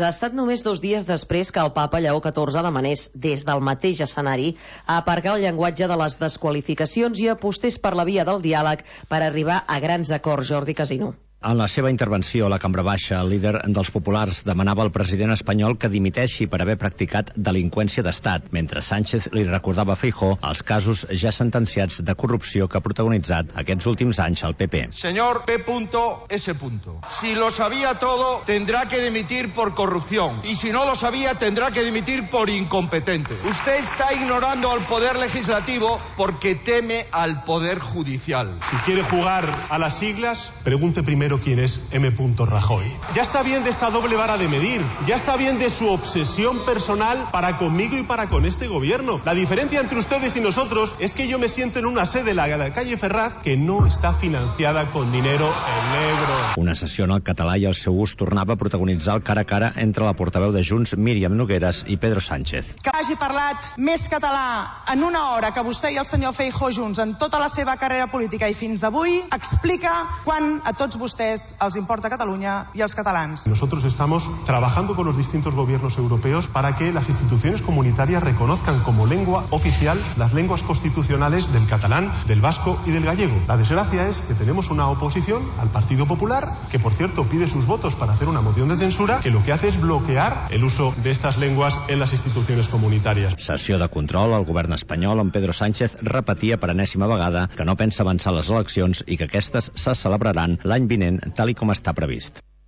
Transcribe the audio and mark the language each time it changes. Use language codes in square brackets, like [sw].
[ca] Ha estat només 2 dies després que el Papa Lleó XIV demanés des del mateix escenari a aparcar el llenguatge de les desqualificacions i apostés per la via del diàleg per arribar a grans acords. Jordi Casino. En la seva intervenció a la Cambra Baixa, el líder dels populars demanava al president espanyol que dimiteixi per haver practicat delinqüència d'estat, mentre Sánchez li recordava a Feijó els casos ja sentenciats de corrupció que ha protagonitzat aquests últims anys al PP. [es] Señor P. S. Si lo sabía todo, tendrá que dimitir por corrupción. Y si no lo sabía, tendrá que dimitir por incompetente. Usted está ignorando al poder legislativo porque teme al poder judicial. Si quiere jugar a las siglas, pregunte primero quién es M. Rajoy. Ya está bien de esta doble vara de medir. Ya está bien de su obsesión personal para conmigo y para con este gobierno. La diferencia entre ustedes y nosotros es que yo me siento en una sede, la de calle Ferraz, que no está financiada con dinero en negro. [ca] Una sessió en el català i el seu ús tornava a protagonitzar el cara a cara entre la portaveu de Junts, Míriam Nogueras, i Pedro Sánchez. Que hagi parlat més català en una hora que vostè i el senyor Feijó junts en tota la seva carrera política i fins avui, explica quan a tots vostès els importa Catalunya i els catalans. [es] Nosotros estamos trabajando con los distintos gobiernos europeos para que las instituciones comunitarias reconozcan como lengua oficial las lenguas constitucionales del catalán, del vasco y del gallego. La desgracia es que tenemos una oposición al Partido Popular, que por cierto pide sus votos para hacer una moción de censura, que lo que hace es bloquear el uso de estas lenguas en las instituciones comunitarias. [ca] Sessió de control al govern espanyol, on Pedro Sánchez repetia per enèsima vegada que no pensa avançar les eleccions i que aquestes se celebraran l'any vinent, tal com està previst.